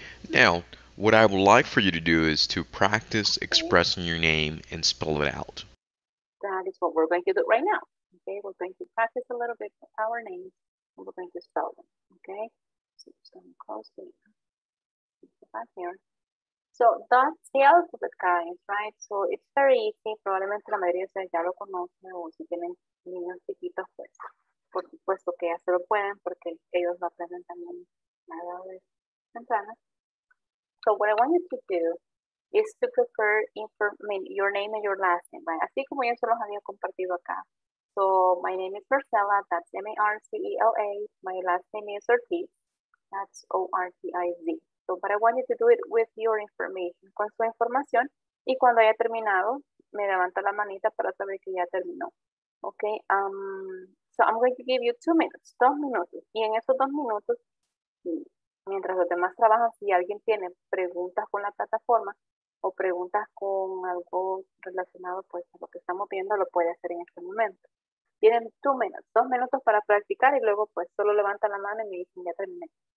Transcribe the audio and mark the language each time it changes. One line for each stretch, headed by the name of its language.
English: Now, what I would like for you to do is to practice expressing your name and spell it out. That is what we're going to do right now. Okay, we're going to practice a little bit our names and we're going to spell them. Okay, so I'm just going to close the back here. So that's the alphabet, guys, right? So it's very easy.
Spanish: Probablemente la mayoría de ustedes ya lo conocen o si tienen niños chiquitos, pues, por supuesto que ya se lo pueden porque ellos lo aprenden también a la edad temprana.
English: So what I want you to do is to prepare your name and your last name, right?
Spanish: Así como yo se los había compartido acá.
English: So my name is Marcela, that's M-A-R-C-E-L-A. My last name is Ortiz, that's O-R-T-I-Z. So what I want you to do it with your information,
Spanish: con su información. Y cuando haya terminado, me levanta la manita para saber que ya terminó.
English: Okay, so I'm going to give you 2 minutes,
Spanish: 2 minutos. Y en esos 2 minutos, mientras los demás trabajan, si alguien tiene preguntas con la plataforma o preguntas con algo relacionado pues a lo que estamos viendo, lo puede hacer en este momento. Tienen
English: 2 minutes,
Spanish: 2 minutos para practicar y luego pues solo levantan la mano y me dicen ya terminé.